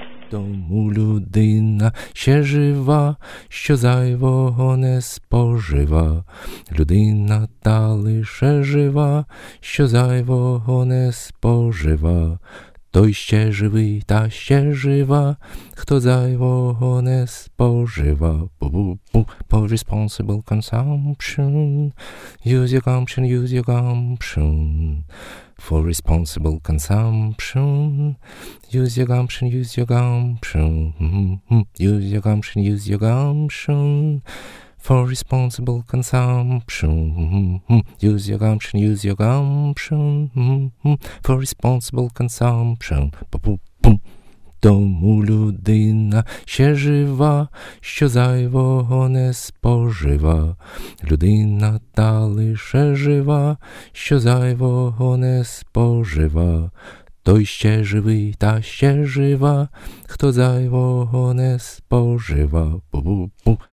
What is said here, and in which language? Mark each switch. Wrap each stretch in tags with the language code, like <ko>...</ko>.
<uk>Тому людина ще жива, що зайвого не спожива. Людина та лише жива, що зайвого не спожива. Той ще живий та ще жива, хто зайвого не спожива.</uk> <en>Бу-бу-бу, for responsible consumption. Use your gumption, use your gumption. For responsible consumption. Use your gumption, use your gumption. Use your gumption, use your gumption. For responsible consumption. Use your gumption, use your gumption. For responsible consumption. Бу-бу-бум.</en> <uk>Тому людина ще жива, що зайвого не спожива. Людина та лише жива, що зайвого не спожива. Той ще живий та ще жива, хто зайвого не спожива. Бу-бу-бу.</uk>